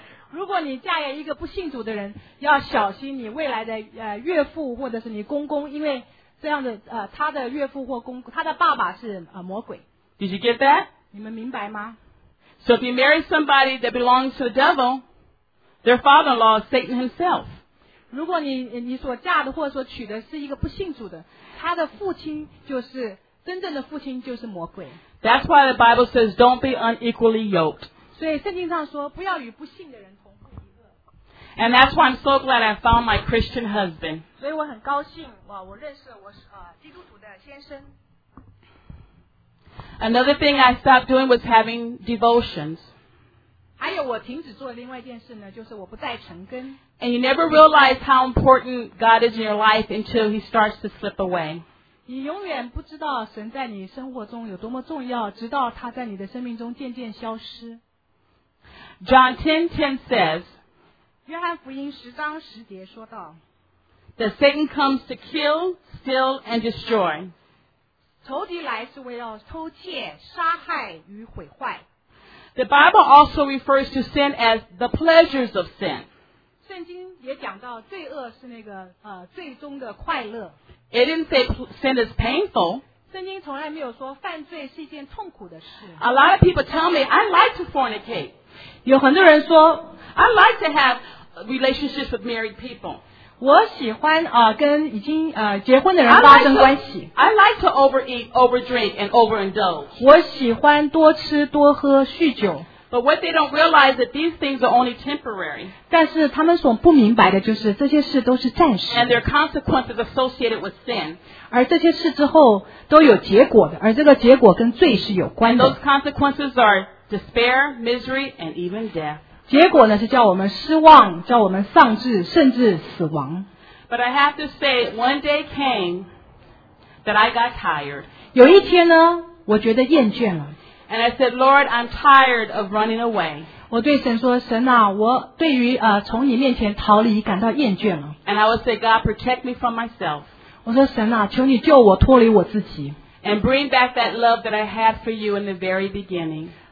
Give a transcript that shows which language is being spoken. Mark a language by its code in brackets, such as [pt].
[zh] 如果你嫁给一个不信主的人，要小心你未来的岳父或者是你公公，因为这样的他的岳父或公他的爸爸是魔鬼。 [en] Did you get that? [zh] 你们明白吗？ [en] So if you marry somebody that belongs to the devil, their father-in-law is Satan himself. [zh] 如果你所嫁的或者说娶的是一个不信主的，他的父亲就是真正的父亲就是魔鬼。 [en] That's why the Bible says, "Don't be unequally yoked." [zh] 所以圣经上说不要与不信的人同负一轭。 [en] And that's why I'm so glad I found my Christian husband. [zh] 所以我很高兴我认识我基督徒的先生。 [en] Another thing I stopped doing was having devotions. [zh] 还有我停止做的另外一件事呢，就是我不再晨更。 [en] And you never realize how important God is in your life until He starts to slip away. [zh] 你永远不知道神在你生活中有多么重要，直到他在你的生命中渐渐消失。 [en] John 10:10 says, [zh] 约翰福音十章十节说道， [en] That Satan comes to kill, steal, and destroy. [zh] 仇敌来是为了偷窃、杀害与毁坏。 [en] The Bible also refers to sin as the pleasures of sin. [zh] 圣经也讲到罪恶是那个最终的快乐。 [en] It didn't say sin is painful. [zh] 圣经从来没有说犯罪是一件痛苦的事。 [en] A lot of people tell me I like to fornicate. [zh] 有很多人说 [en] I like to have relationships with married people. [zh] 我喜欢跟已经结婚的人发生关系。 [en] I like to overeat, overdrink, and overindulge. [zh] 我喜欢多吃多喝酗酒。 [en] But what they don't realize is that these things are only temporary. [zh] 但是他们所不明白的就是这些事都是暂时。 [en] And there are consequences associated with sin. [zh] 而这些事之后都有结果的，而这个结果跟罪是有关的。 [en] And those consequences are despair, misery, and even death. [zh] 结果呢是叫我们失望，叫我们丧志，甚至死亡。 [en] But I have to say, one day came that I got tired. [zh] 有一天呢，我觉得厌倦了。 [en] And I said, Lord, I'm tired of running away. [zh] 我对神说，神啊，我对于从你面前逃离感到厌倦了。 [en] And I would say, God, protect me from myself. [zh] 我说神啊，求你救我脱离我自己。 [en] And bring back that love that I had for you in the very beginning.